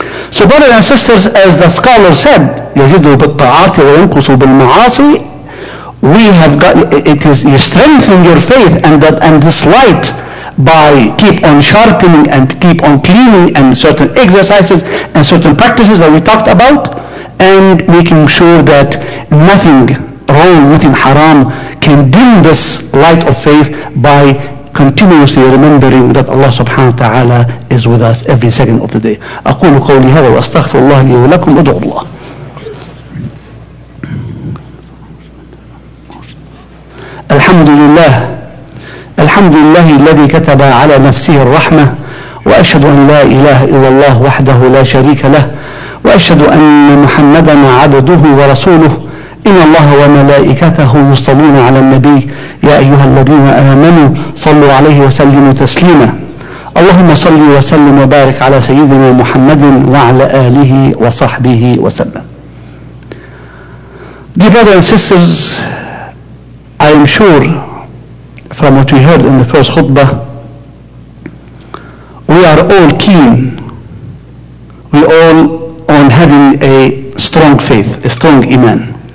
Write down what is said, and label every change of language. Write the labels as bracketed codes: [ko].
[en] So brothers and sisters, as the scholar said, [ar] يزيدوا بالطاعات وينقصوا بالمعاصي, [en] we have got, it is, you strengthen your faith and this light by keep on sharpening and keep on cleaning and certain exercises and certain practices that we talked about, and making sure that nothing wrong, nothing haram can dim this light of faith by continuously remembering that Allah subhanahu wa ta'ala is with us every second of the day. [ar] أقول قولي هذا وأستغفر الله لي ولكم أدعو الله. الحمد لله. الحمد لله الذي كتب على نفسه الرحمة وأشهد أن لا إله إلا الله وحده لا شريك له وأشهد أن محمدًا عبده ورسوله. إن الله وملائكته يصلون على النبي يا أيها الذين آمنوا صلوا عليه وسلموا تسليما. اللهم صل وسلم وبارك على سيدنا محمد وعلى آله وصحبه وسلم. [en] Dear brothers and sisters, I am sure from what we heard in the first khutbah, we are all keen, we all on having a strong faith, a strong iman.